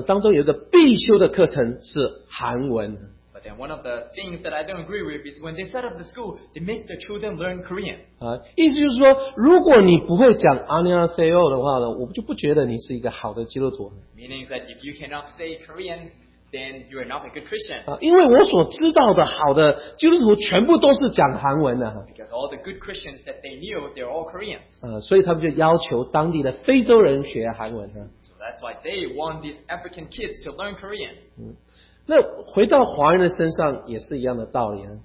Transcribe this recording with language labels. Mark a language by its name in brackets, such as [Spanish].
[Chinese] 可是有一个例子就是说，他们在办小学的时候呢，当中有一个必修的课程是韩文。 [English] But then one of the things that I don't agree with is when they set up the school, they make the children learn Korean. [Chinese] 意思就是说，如果你不会讲阿尼亚塞欧的话呢，我就不觉得你是一个好的基督徒。 [English] Meaning that if you cannot say Korean, then you are not a good Christian. [Chinese] 因为我所知道的好的基督徒全部都是讲韩文的。 [English] Because all the good Christians that they knew, they're all Koreans. [Chinese] 所以他们就要求当地的非洲人学韩文。 [English] So that's why they want these African kids to learn Korean. [Chinese] 那回到华人的身上也是一样的道理。